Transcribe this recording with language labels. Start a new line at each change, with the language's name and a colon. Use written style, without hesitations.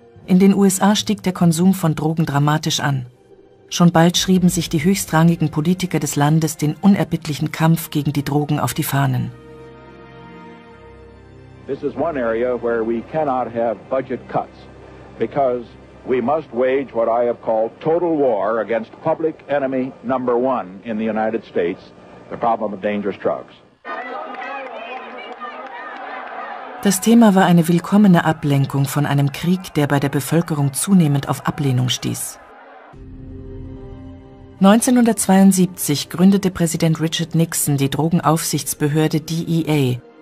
German: In den USA stieg der Konsum von Drogen dramatisch an. Schon bald schrieben sich die höchstrangigen Politiker des Landes den unerbittlichen Kampf gegen die Drogen auf die Fahnen.
English: This is one area where we cannot have budget cuts, because we must wage what I have called total war against public enemy number one in the United States, the problem of dangerous drugs.
German: Das Thema war eine willkommene Ablenkung von einem Krieg, der bei der Bevölkerung zunehmend auf Ablehnung stieß. 1972 gründete Präsident Richard Nixon die Drogenaufsichtsbehörde DEA,